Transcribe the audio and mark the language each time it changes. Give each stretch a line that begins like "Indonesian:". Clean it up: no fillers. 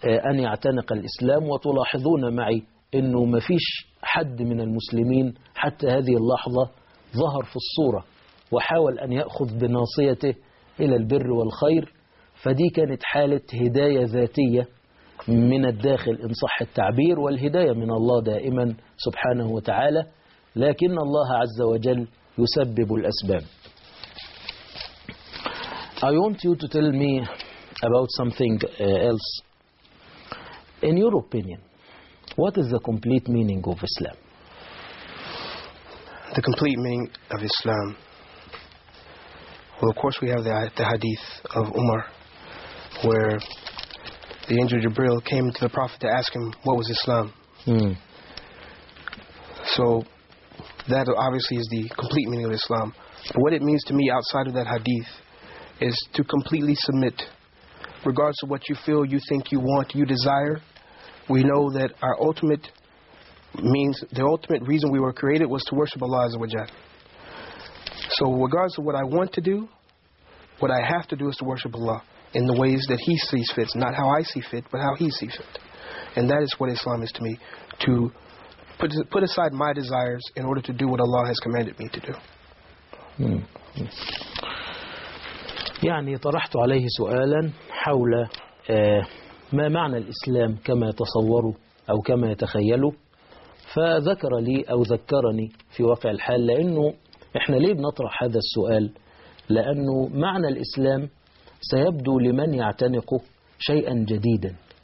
Arabic: أن يعتنق الإسلام وتلاحظون معي أنه ما فيش حد من المسلمين حتى هذه اللحظة ظهر في الصورة وحاول أن يأخذ بناصيته إلى البر والخير فدي كانت حالة هداية ذاتية من الداخل إن صح التعبير والهداية من الله دائما سبحانه وتعالى لكن الله عز وجل يسبب الأسباب.
English: I want you to tell me about something else. In your opinion, what is the complete meaning of Islam? The complete meaning of Islam. Well, of course, we have the hadith of Umar, where the angel Jibril came to the Prophet to ask him what was Islam. Mm. So that obviously is the complete meaning of Islam. But what it means to me outside of that hadith is to completely submit regardless of what you feel, you think, you want, you desire. We know that our ultimate means, the ultimate reason we were created was to worship Allah Azza wa Jal. So regardless of what I want to do, what I have to do is to worship Allah in the ways that He sees fit, not how I see fit, but how He sees fit. And that is what Islam is to me, to put aside my desires in order to do what Allah has commanded me to do.
Arabic: يعني طرحت عليه سؤالا حول ما معنى الإسلام كما يتصوره أو كما يتخيله، فذكر لي أو ذكرني في واقع الحال. لأنه إحنا ليه بنطرح هذا السؤال؟ لأنه معنى الإسلام سيبدو لمن يعتنقه شيئا جديدا.